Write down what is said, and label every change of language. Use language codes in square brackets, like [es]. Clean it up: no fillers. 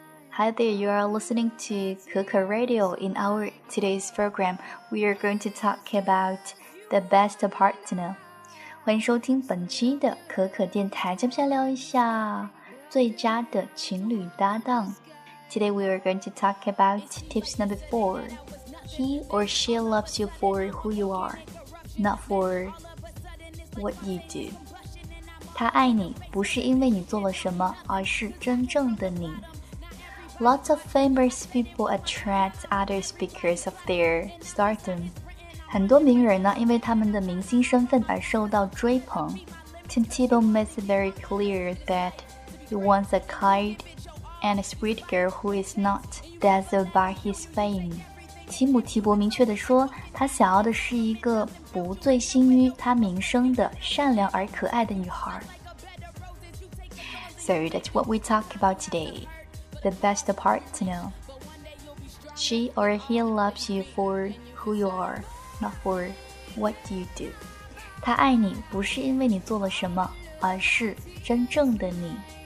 [en] Hi there, you are listening to Kekke Radio. In our today's program, we are going to talk about the best partner. [zh] 欢迎收听本期的可可电台，接下来聊一下最佳的情侣搭档。 [en] Today we are going to talk about tips number 4. He or she loves you for who you are, not for what you do. [zh] 他爱你不是因为你做了什么，而是真正的你。 [en] Lots of famous people attract others because of their stardom. [zh] 很多名人呢，因为他们的明星身份而受到追捧。 [en] Tim Tebow makes it very clear that he wants a kind and sweet girl who is not dazzled by his fame. [zh] 提姆·提伯明确地说，他想要的是一个不醉心于他名声的善良而可爱的女孩。 [en] So that's what we talk about today. The best partner. She or he loves you for who you are, not for what you do. [zh] 他爱你不是因为你做了什么，而是真正的你。